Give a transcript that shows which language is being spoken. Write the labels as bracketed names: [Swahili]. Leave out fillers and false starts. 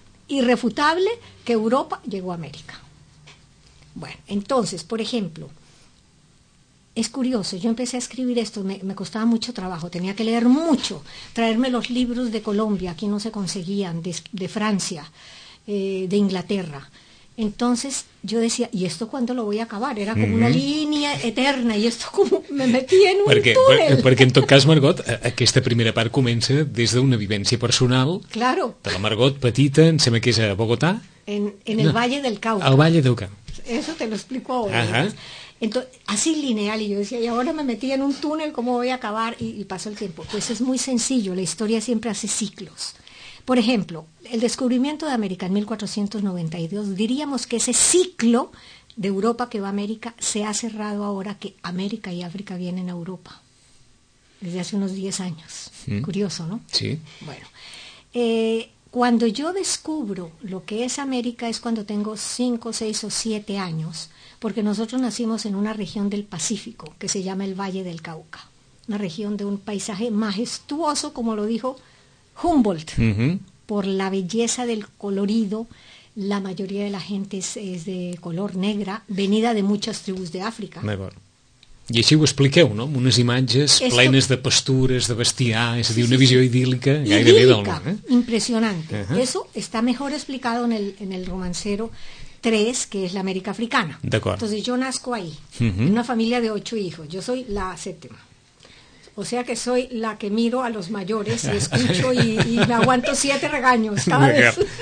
[Spanish] irrefutable que Europa llegó a América. Bueno, entonces, por ejemplo, es curioso, yo empecé a escribir esto, me costaba mucho trabajo, tenía que leer mucho, traerme los libros de Colombia, aquí no se conseguían, de Francia, de Inglaterra. Entonces yo decía, ¿y esto cuándo lo voy a acabar? Era como una línea eterna y esto como me metí en un túnel. [Catalan] Perquè en tot cas, Margot, aquesta primera part comença des d'una vivència personal. [Spanish] Claro. [Catalan] De la Margot petita, em sembla que és a Bogotà. [Spanish] En el Valle del Cauca. El Valle del Cauca. Eso te lo explico ahora. Ajá. Entonces, así lineal, y yo decía, y ahora me metí en un túnel, ¿cómo voy a acabar? Y pasó el tiempo. Pues es muy sencillo, la historia siempre hace ciclos. Por ejemplo, el descubrimiento de América en 1492, diríamos que ese ciclo de Europa que va a América se ha cerrado ahora que América y África vienen a Europa, desde hace unos 10 años. Mm. Curioso, ¿no? Sí. Bueno, cuando yo descubro lo que es América es cuando tengo 5, 6 o 7 años, porque nosotros nacimos en una región del Pacífico que se llama el Valle del Cauca, una región de un paisaje majestuoso, como lo dijo Humboldt, por la belleza del colorido. La mayoría de la gente es de color negra, venida de muchas tribus de África. [Catalan] I així ho expliqueu, no? Amb unes imatges plenes de pastures, de bestiar, és a dir, una visió idíl·lica gairebé del món. [Spanish] Idíl·lica, impresionante. Eso está mejor explicado en el romancero 3, que es la América Africana. [Catalan] D'acord. [Spanish] Entonces yo nazco ahí, en una familia de 8 hijos. Yo soy la séptima. O sea que soy la que miro a los mayores y escucho y me aguanto 7 regaños cada vez.